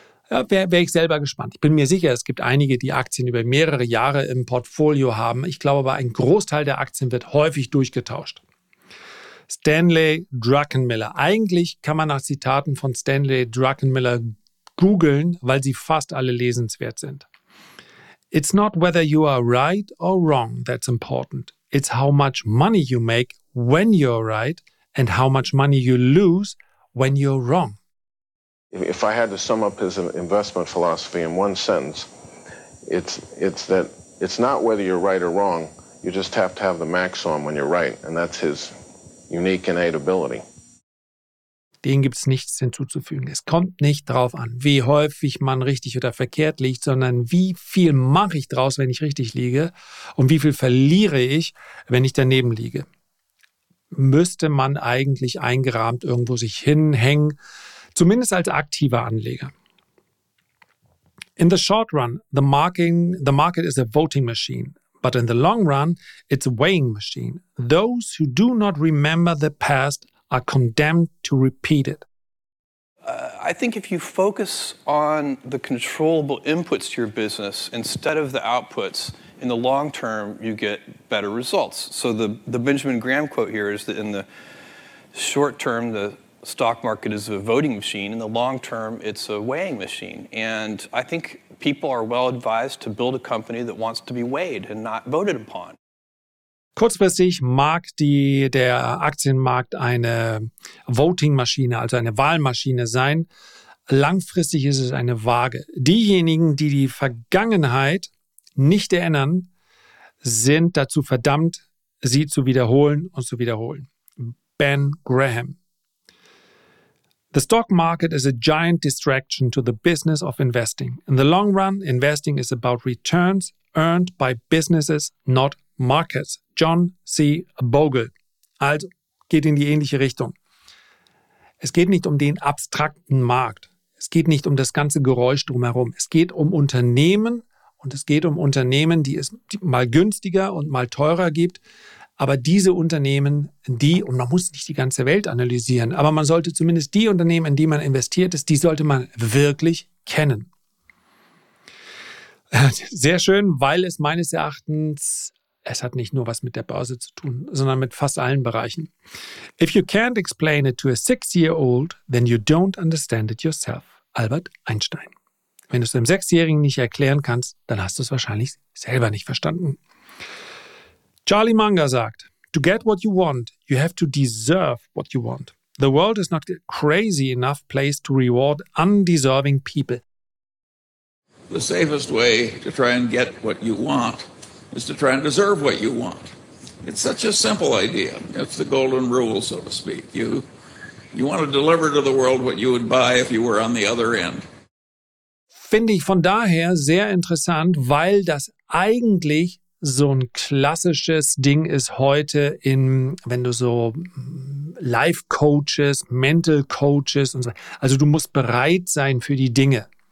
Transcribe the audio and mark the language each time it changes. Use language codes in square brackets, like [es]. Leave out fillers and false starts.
[de] Ja, wäre ich selber gespannt. Ich bin mir sicher, es gibt einige, die Aktien über mehrere Jahre im Portfolio haben. Ich glaube aber, ein Großteil der Aktien wird häufig durchgetauscht. Stanley Druckenmiller. Eigentlich kann man nach Zitaten von Stanley Druckenmiller googeln, weil sie fast alle lesenswert sind. [en] It's not whether you are right or wrong that's important. It's how much money you make when you're right and how much money you lose when you're wrong. If I had to sum up his investment philosophy in one sentence, it's that it's not whether you're right or wrong. You just have to have the max on when you're right. And that's his unique innate ability. [de] Dem gibt es nichts hinzuzufügen. Es kommt nicht drauf an, wie häufig man richtig oder verkehrt liegt, sondern wie viel mache ich draus, wenn ich richtig liege und wie viel verliere ich, wenn ich daneben liege. Müsste man eigentlich eingerahmt irgendwo sich hinhängen, zumindest als aktiver Anleger. [en] In the short run, the market is a voting machine. But in the long run, it's a weighing machine. Those who do not remember the past are condemned to repeat it. I think if you focus on the controllable inputs to your business instead of the outputs, in the long term, you get better results. So the Benjamin Graham quote here is that in the short term, the stock market is a voting machine. In the long term, it's a weighing machine. And I think people are well advised to build a company that wants to be weighed and not voted upon. [de] Kurzfristig mag der Aktienmarkt eine Voting-Maschine, also eine Wahlmaschine sein. Langfristig ist es eine Waage. Diejenigen, die die Vergangenheit nicht erinnern, sind dazu verdammt, sie zu wiederholen und zu wiederholen. Ben Graham. [en] The stock market is a giant distraction to the business of investing. In the long run, investing is about returns earned by businesses, not markets. [de] John C. Bogle. Also, geht in die ähnliche Richtung. Es geht nicht um den abstrakten Markt. Es geht nicht um das ganze Geräusch drumherum. Es geht um Unternehmen und es geht um Unternehmen, die es mal günstiger und mal teurer gibt. Aber diese Unternehmen, die, und man muss nicht die ganze Welt analysieren, aber man sollte zumindest die Unternehmen, in die man investiert ist, die sollte man wirklich kennen. Sehr schön, weil es meines Erachtens, es hat nicht nur was mit der Börse zu tun, sondern mit fast allen Bereichen. [en] If you can't explain it to a 6-year-old, then you don't understand it yourself. Albert Einstein. [de] Wenn du es dem Sechsjährigen nicht erklären kannst, dann hast du es wahrscheinlich selber nicht verstanden. Charlie Munger sagt, [en] to get what you want, you have to deserve what you want. The world is not a crazy enough place to reward undeserving people. The safest way to try and get what you want is to try and deserve what you want. It's such a simple idea. It's the golden rule, so to speak. You want to deliver to the world what you would buy if you were on the other end. [de] Finde ich von daher sehr interessant, weil das eigentlich so ein klassisches Ding ist heute in, wenn du so Life-Coaches, Mental-Coaches und so. Also du musst bereit sein für die Dinge.